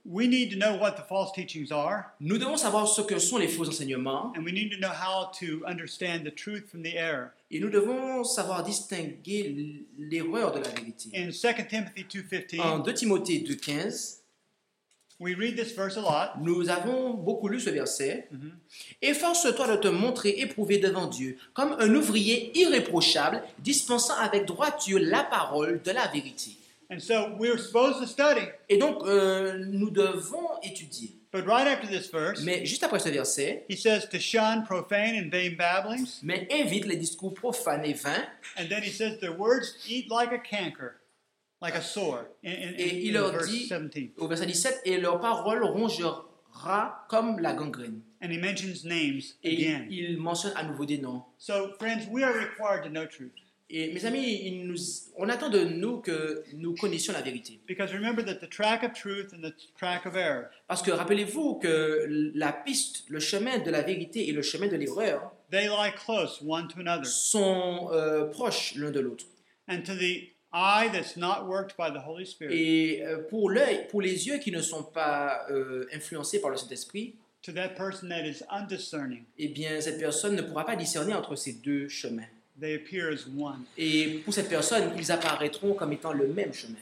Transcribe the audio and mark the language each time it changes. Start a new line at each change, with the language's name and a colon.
English: We need to know what the false teachings are.
French: Nous devons savoir ce que sont les faux enseignements.
English: And we need to know how to understand the truth from the error.
French: Et nous devons savoir distinguer l'erreur de la vérité.
English: In 2 Timothy 2:15.
French: En 2 Timothée 2:15.
English: We read this verse a lot.
French: Nous avons beaucoup lu ce verset. Efforce-toi de te montrer éprouvé devant Dieu comme un ouvrier irréprochable, dispensant avec droiture la parole de la vérité.
English: And so we're supposed to study.
French: Et donc nous devons étudier.
English: But right after this verse,
French: mais juste après ce verset,
English: he says to shun profane and vain babblings.
French: Mais évite les discours profanes et vains.
English: And then he says their words eat like a canker. Like a sore.
French: Et il leur dit, au verset 17, et leur parole rongera comme la gangrène.
English: And he mentions names
French: et
English: again.
French: Il mentionne à nouveau des noms.
English: So, friends, we are required to know truth.
French: Et mes amis, on attend de nous que nous connaissions la vérité.
English: Because remember that the track of truth and the track of error.
French: Parce que rappelez-vous que la piste, le chemin de la vérité et le chemin de l'erreur,
English: they lie close one to another.
French: Sont proches l'un de l'autre.
English: And to the eye that's not worked by the Holy Spirit.
French: Et pour l'œil, pour les yeux qui ne sont pas influencés par le Saint-Esprit.
English: To that person that is undiscerning.
French: Eh bien, cette personne ne pourra pas discerner entre ces deux chemins.
English: They appear as one.
French: Et pour cette personne, ils apparaîtront comme étant le même chemin.